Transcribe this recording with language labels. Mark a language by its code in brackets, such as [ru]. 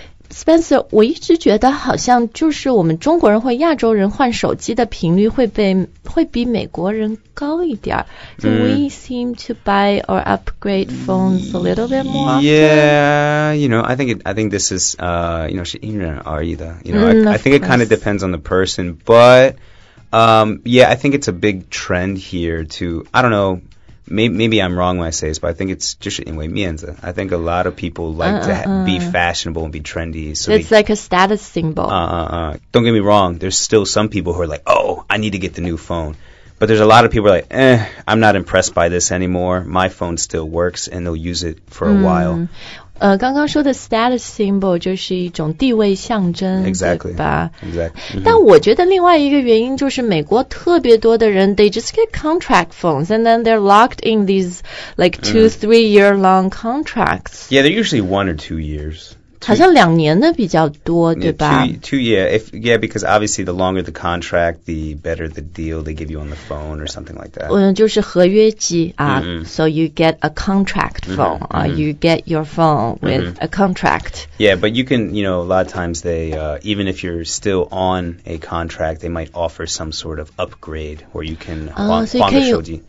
[zh] Spencer, 我一直觉得好像就是我们中国人或亚洲人换手机的频率会比美国人高一点。 [en] So we seem to buy or upgrade phones a little bit more often. Yeah, you know, I think this is, you know, [zh] 是因人而异的。 [en] You know, I think it kind of depends on the person. But, yeah, I think it's a big trend here to, I don't know,Maybe I'm wrong when I say this, but I think it's just [zh] 因为面子. [en] I think a lot of people like to be fashionable and be trendy. So it's like a status symbol. Don't get me wrong. There's still some people who are like, oh, I need to get the new phone. But there's a lot of people who are like, eh, I'm not impressed by this anymore. My phone still works and they'll use it for a while. [zh] 刚刚说的 status symbol 就是一种地位象征 [en] exactly, [zh] 对吧 [en] exactly,、 [zh] 但我觉得另外一个原因就是美国特别多的人 [en] they just get contract phones and then they're locked in these like two,three year long contracts. Yeah, they're usually 1 or 2 years. [zh] 好像两年的比较多对吧 [en] two years, because obviously the longer the contract, the better the deal they give you on the phone or something like that. [zh] 就是合约机啊、 [en] so you get a contract phone, you get your phone with a contract. Yeah, but you can, you know, a lot of times they, even if you're still on a contract, they might offer some sort of upgrade where you can [zh] 换个手机。